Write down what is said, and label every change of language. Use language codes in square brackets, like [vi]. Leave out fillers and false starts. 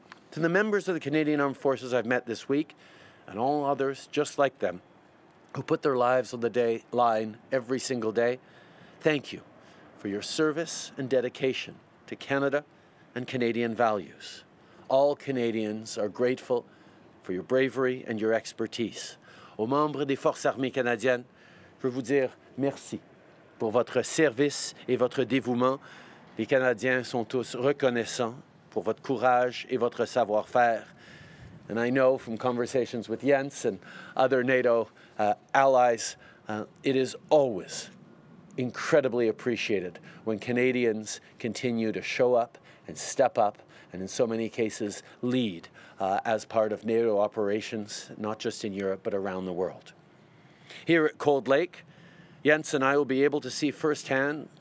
[en] To the members of the Canadian Armed Forces I've met this week, and all others just like them, who put their lives on the line every single day, thank you for your service and dedication to Canada and Canadian values. All Canadians are grateful for your bravery and your expertise. [fr] Aux membres des Forces armées canadiennes, je veux vous dire merci pour votre service et votre dévouement. Les Canadiens sont tous reconnaissants pour votre courage et votre savoir-faire. [en] And I know from conversations with Jens and other NATO allies, it is always incredibly appreciated when Canadians continue to show up and step up and in so many cases lead as part of NATO operations, not just in Europe but around the world. Here at Cold Lake, Jens and I will be able to see firsthand